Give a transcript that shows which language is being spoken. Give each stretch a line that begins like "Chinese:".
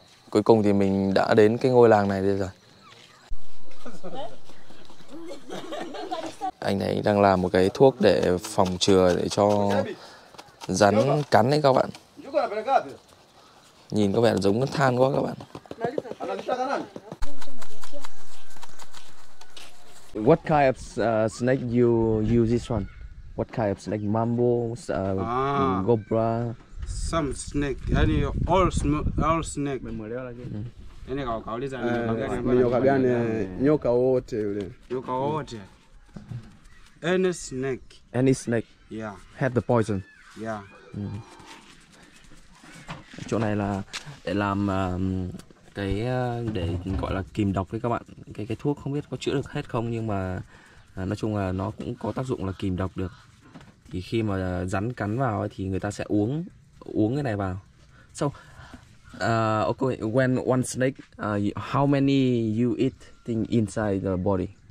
Vietnamese: Cuối cùng thì mình đã đến cái ngôi làng này đây rồi. Anh ấy đang làm một cái thuốc để phòng chừa để cho rắn cắn đấy các bạn. Nhìn có vẻ giống than quá các bạn.
English: What kind of snake you use this one? What kind of snake? Mambo, cobra. Some snake. Any all snake. Any
Swahili: nyoka gani? Nyoka wote yule. Nyoka wote.
English: Any snake. Any snake. Yeah. Had the poison. Yeah.
Vietnamese: Chỗ này là để làm cái để gọi là kìm độc với các bạn. Cái thuốc không biết có chữa được hết không, nhưng mà nói chung là nó cũng có tác dụng là kìm độc được. Thì khi mà rắn cắn vào ấy, thì người ta sẽ uống cái này vào.
English: So okay, when one snake how many you eat thing inside the body?